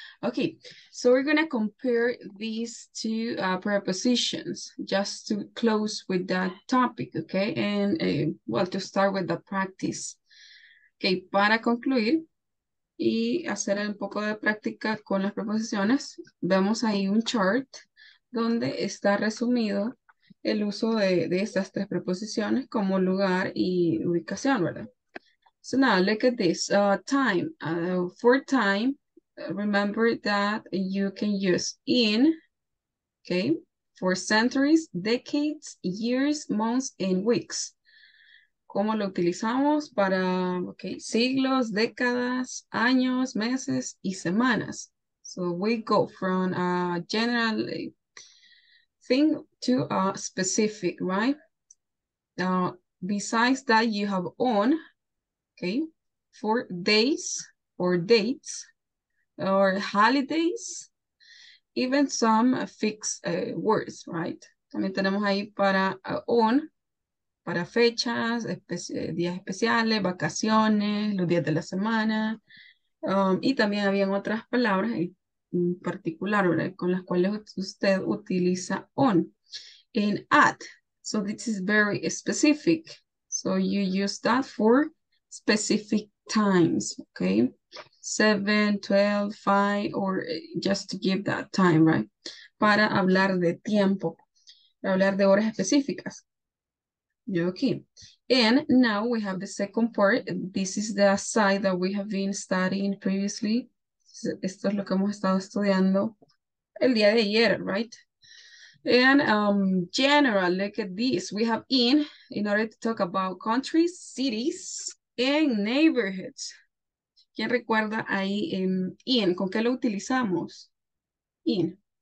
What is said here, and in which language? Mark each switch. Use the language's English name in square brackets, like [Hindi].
[English] Okay, so we're going to compare these two prepositions just to close with that topic, okay? And well, to start with the practice. [Spanish] Okay, para concluir y hacer un poco de práctica con las preposiciones, vemos ahí un chart donde está resumido el uso de estas tres preposiciones como lugar y ubicación, ¿verdad? [English] So now look at this, time. For time, remember that you can use in, okay, for centuries, decades, years, months, and weeks. [Spanish] ¿Cómo lo utilizamos? Para, okay, siglos, décadas, años, meses, y semanas. [English] So we go from a general thing to a specific, right? Besides that, you have on. Okay, for days or dates or holidays, even some fixed words, right? [Spanish] También tenemos ahí para on, para fechas, días especiales, vacaciones, los días de la semana. Y también habían otras palabras en particular, ¿verdad? Con las cuales usted utiliza on. En at, [English] so this is very specific. So you use that for specific times, okay? 7, 12, 5, or just to give that time, right? [Spanish] Para hablar de tiempo, para hablar de horas específicas. [English] Okay. And now we have the second part. This is the side that we have been studying previously. [Spanish] Esto es lo que hemos estado estudiando el día de ayer, right? [English] And general, look at this. We have in order to talk about countries, cities, en neighborhoods. [Spanish] ¿Quién recuerda ahí en in? ¿Con qué lo utilizamos? In.